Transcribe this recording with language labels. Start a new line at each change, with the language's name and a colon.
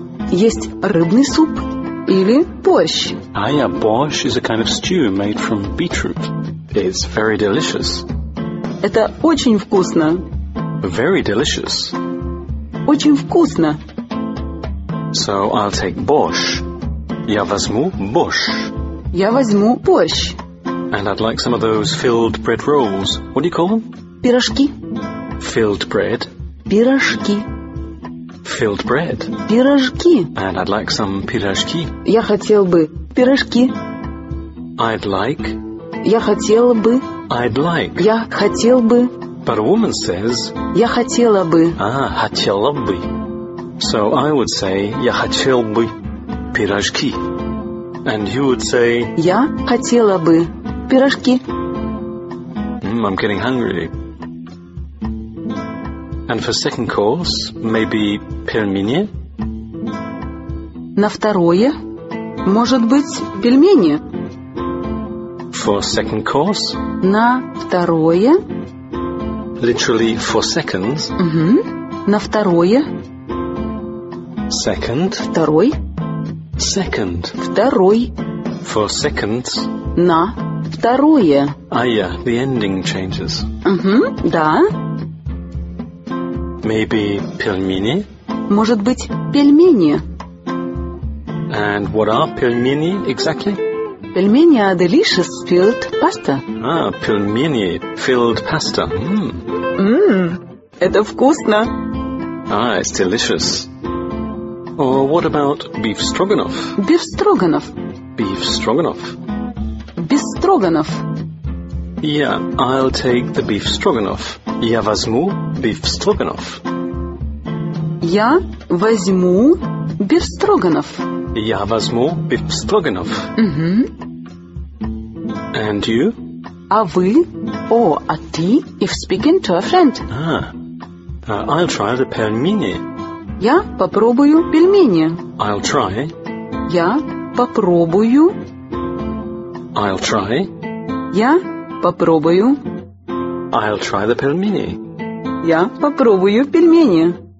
Russian: Есть рыбный суп или борщ.
English: Ah, yeah, borscht is a kind of stew made from beetroot. It's very delicious.
Russian: Это очень вкусно.
English: Very delicious.
Russian: Очень вкусно.
English: So I'll take borscht.
Russian: Я возьму борщ. Я возьму борщ.
English: And I'd like some of those filled bread rolls. What do you call them?
Russian: Пирожки.
English: Filled bread.
Russian: Пирожки.
English: Filled bread.
Russian: Пирожки.
English: And I'd like some пирожки.
Russian: Я хотел бы пирожки.
English: I'd like.
Russian: Я хотел бы.
English: I'd like.
Russian: Я хотел бы.
English: But a woman says.
Russian: Я хотела бы. Ah, хотела бы.
English: So I would say,
Russian: я хотел бы пирожки.
English: And you would say,
Russian: я хотела бы пирожки.
English: I'm getting hungry. And for second course, maybe пельмени?
Russian: На второе, может быть, пельмени?
English: For second course?
Russian: На второе.
English: Literally for seconds.
Russian: Mm-hmm. На второе.
English: Second.
Russian: Второй.
English: Second.
Russian: Второй.
English: For seconds.
Russian: На второе.
English: Ah, yeah, the ending changes.
Russian: Mm-hmm, да.
English: Maybe пельмени?
Russian: Может быть, пельмени.
English: And what are пельмени exactly? Пельмени are delicious filled pasta. Ah, пельмени filled pasta. Mmm.
Russian: Mmm, это вкусно.
English: Ah, it's delicious. Or what about beef stroganoff? Beef stroganoff. Beef stroganoff. Beef stroganoff. Yeah, I'll take the beef stroganoff.
Russian: Я возьму
English: beef stroganoff.
Russian: Я возьму beef stroganoff. Я возьму beef stroganoff. Mm-hmm.
English: And you?
Russian: А вы? О, а ты?
English: If speaking to a friend. Ah, I'll try the пельмени.
Russian: Я попробую пельмени.
English: I'll try.
Russian: Я попробую.
English: I'll try.
Russian: Я попробую.
English: I'll try the пельмени.
Russian: Я попробую пельмени.